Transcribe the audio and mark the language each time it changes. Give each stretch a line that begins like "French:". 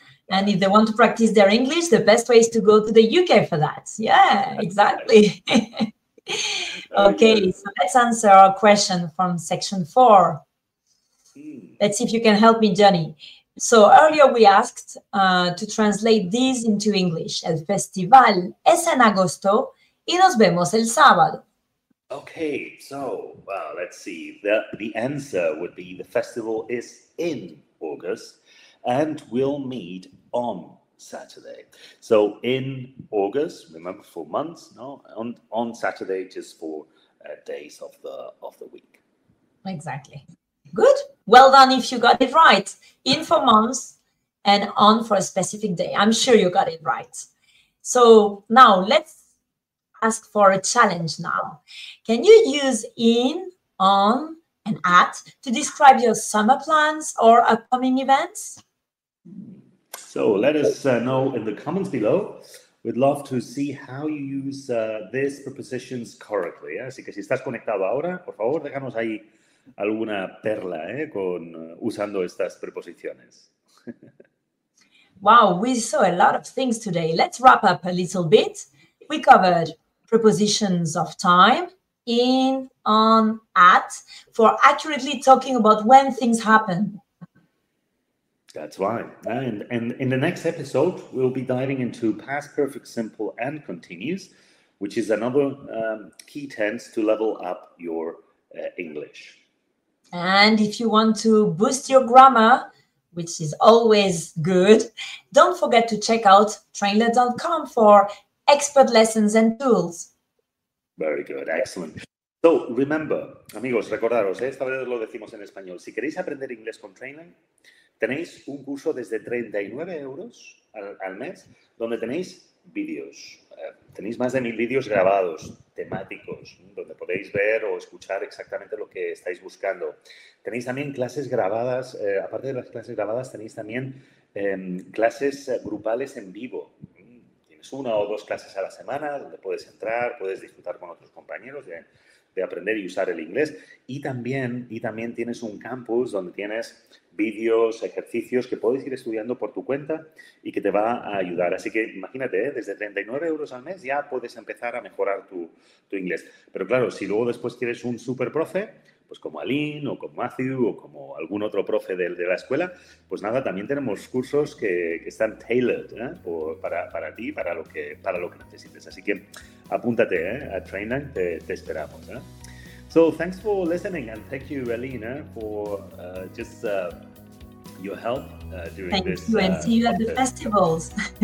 English: And if they want to practice their English, the best way is to go to the UK for that. Yeah, exactly. Okay, so let's answer our question from section 4. Let's see if you can help me, Johnny. So earlier we asked to translate these into English.
Spanish: El festival es en agosto y nos vemos el sábado.
English: Okay, so let's see. The answer would be the festival is in August and we'll meet on Saturday. So in August, remember, 4 months, no, on Saturday, just for days of the week. Exactly. Good. Well done if you got it right. In 4 months and on for a specific day. I'm sure you got it right. So now let's ask for a challenge now. Can you use in, on, and at to describe your summer plans or upcoming events? So let us know in the comments below. We'd love to see how you use these prepositions correctly. ¿Eh?
Spanish: Así que si estás conectado ahora, por favor, déjanos ahí alguna perla con usando estas preposiciones.
English: Wow, we saw a lot of things today. Let's wrap up a little bit. We covered prepositions of time, in, on, at, for accurately talking about when things happen. That's right. And in the next episode, we'll be diving into past perfect simple and continuous, which is another key tense to level up your English. And if you want to boost your grammar, which is always good, don't forget to check out trainler.com for expert lessons and tools. Very good. Excellent. So remember,
Spanish: amigos, recordaros, esta vez lo decimos en español. Si queréis aprender inglés con Trainline, tenéis un curso desde 39 euros al mes, donde tenéis vídeos. Tenéis más de 1000 vídeos grabados, temáticos, donde podéis ver o escuchar exactamente lo que estáis buscando. Tenéis también clases grabadas. Aparte de las clases grabadas, tenéis también clases grupales en vivo. Una o dos clases a la semana donde puedes entrar, puedes disfrutar con otros compañeros de aprender y usar el inglés. Y también tienes un campus donde tienes vídeos, ejercicios que puedes ir estudiando por tu cuenta y que te va a ayudar. Así que imagínate, desde 39 euros al mes ya puedes empezar a mejorar tu inglés. Pero claro, si luego después quieres un super profe, pues como Aline o como Matthew o como algún otro profe de la escuela, pues nada, también tenemos cursos que están tailored para ti, para lo que necesites. Así que apúntate a Trainline, te esperamos.
English: So thanks for listening and thank you, Aline, for just your help during thank this. Thank you and see you at the festivals.